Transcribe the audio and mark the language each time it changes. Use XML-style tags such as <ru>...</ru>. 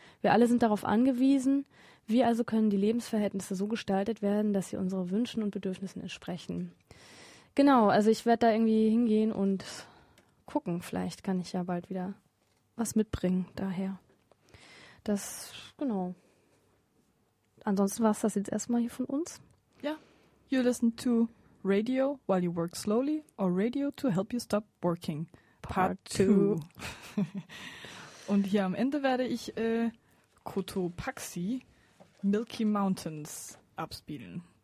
<de>Wir alle sind darauf angewiesen. Wie also können die Lebensverhältnisse so gestaltet werden, dass sie unseren Wünschen und Bedürfnissen entsprechen? Genau, also ich werde da irgendwie hingehen und gucken. Vielleicht kann ich ja bald wieder was mitbringen daher. Das, genau. Ansonsten war es das jetzt erstmal hier von uns. Ja.</de> <en>You listen to Radio While You Work Slowly or Radio to Help You Stop Working. Part 2.</en> <de>Und hier am Ende werde ich Cotopaxi Milky Mountains abspielen.</de>